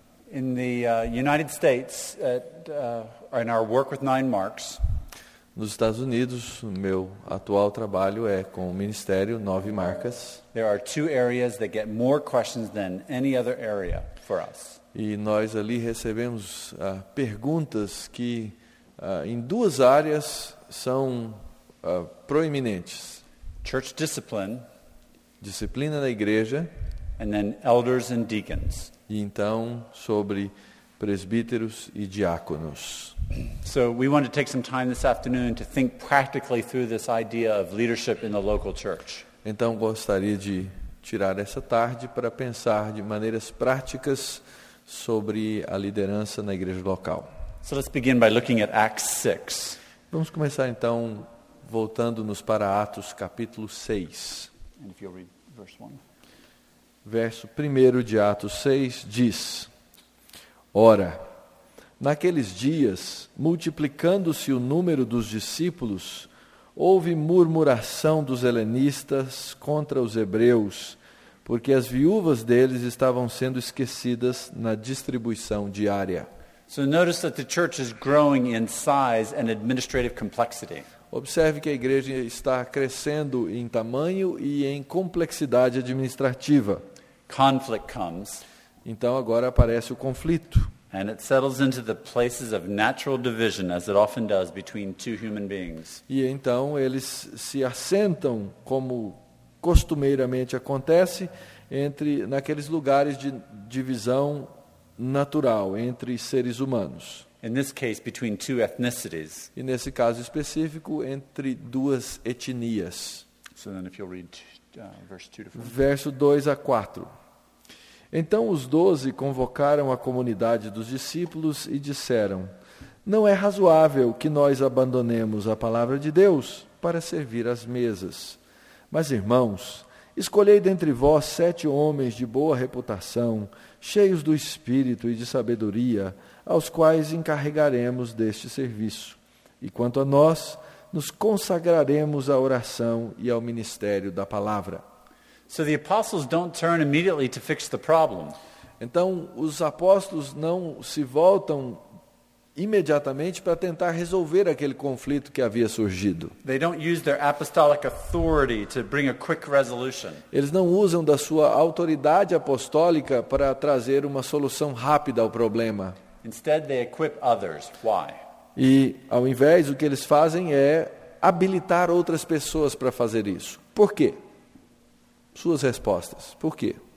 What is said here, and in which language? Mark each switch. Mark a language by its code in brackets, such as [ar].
[en] In the United States, in our work with Nine Marks. [pt] Nos Estados Unidos, o meu atual trabalho é com o Ministério Nove Marcas. [en] There are two areas that get more questions than any other area for us. [pt] E nós ali recebemos perguntas que em duas áreas são proeminentes. [en] Church discipline. [pt] Disciplina na igreja. [en] And then elders and deacons. [pt] E então sobre presbíteros e diáconos. [en] So we want to take some time this afternoon to think practically through this idea of leadership in the local church. [pt] Então gostaria de tirar essa tarde para pensar de maneiras práticas sobre a liderança na igreja local. [en] So let's begin by looking at Acts 6. [pt] Vamos começar então voltando-nos para Atos capítulo 6. [en] And if you'll read verse 1. [pt] Verso 1 de Atos 6 diz: Ora, naqueles dias, multiplicando-se o número dos discípulos, houve murmuração dos helenistas contra os hebreus, porque as viúvas deles estavam sendo esquecidas na distribuição diária. [en] So notice that the church is growing in size and administrative complexity. [pt] Observe que a igreja está crescendo em tamanho e em complexidade administrativa. [en] Conflict comes. [pt] Então agora aparece o conflito. [en] And it settles into the places of natural division, as it often does between two human beings. [pt] E então eles se assentam, como costumeiramente acontece, entre naqueles lugares de divisão natural entre seres humanos. [en] In this case, between two ethnicities. [pt] E nesse caso específico, entre duas etnias. [en] So then if you'll read verse 2 to 4. [pt] Verso 2 a 4. Então os doze convocaram a comunidade dos discípulos e disseram: Não é razoável que nós abandonemos a palavra de Deus para servir às mesas. Mas, irmãos, escolhei dentre vós sete homens de boa reputação, cheios do Espírito e de sabedoria, aos quais encarregaremos deste serviço. E quanto a nós, nos consagraremos à oração e ao ministério da palavra. [en] So the apostles don't turn immediately to fix the problem. [pt] Então, os apóstolos não se voltam imediatamente para tentar resolver aquele conflito que havia surgido. [en] They don't use their apostolic authority to bring a quick resolution. [pt] Eles não usam da sua autoridade apostólica para trazer uma solução rápida ao problema. [en] Instead, they equip others. Why? [pt] E, ao invés, o que eles fazem é habilitar outras pessoas para fazer isso. Por quê? Suas respostas. Por quê?